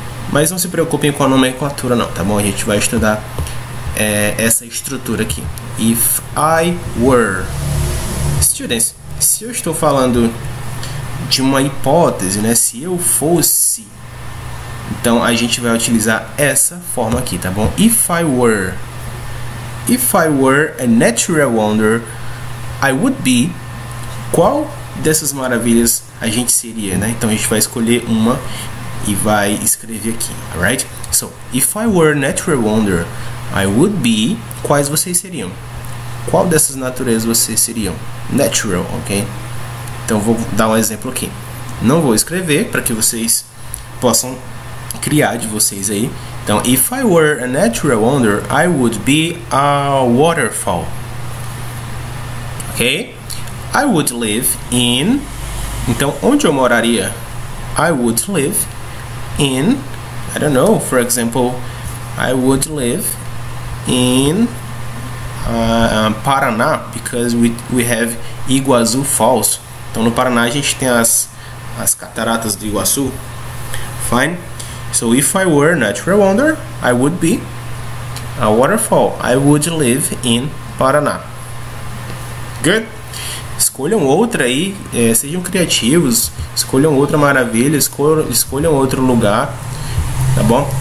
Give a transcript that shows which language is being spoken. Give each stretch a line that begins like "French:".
Portuguese: Mas não se preocupem com a nomenclatura, não, tá bom? A gente vai estudar essa estrutura aqui.
English: If I were. Students,
Portuguese: se eu estou falando de uma hipótese, né? Se eu fosse. Então a gente vai utilizar essa forma aqui, tá bom?
English: If I were. If I were a natural wonder, I would be.
Portuguese: Qual dessas maravilhas a gente seria, né? Então a gente vai escolher uma. E vai escrever aqui,
English: alright? So, if I were a natural wonder, I would be.
Portuguese: Quais vocês seriam? Qual dessas naturezas vocês seriam? Natural, ok? Então vou dar um exemplo aqui. Não vou escrever para que vocês possam criar de vocês aí.
English: Então, if I were a natural wonder, I would be a waterfall. Ok? I would live in.
Portuguese: Então, onde eu moraria?
English: I would live. In, I don't know, for example, I would live in Paraná, because we have Iguazu Falls.
Portuguese: Então no Paraná a gente tem as cataratas do Iguaçu.
English: Fine. So if I were a natural wonder, I would be a waterfall. I would live in Paraná. Good.
Portuguese: Escolham outra aí, sejam criativos, escolham outra maravilha, escolham outro lugar, tá bom?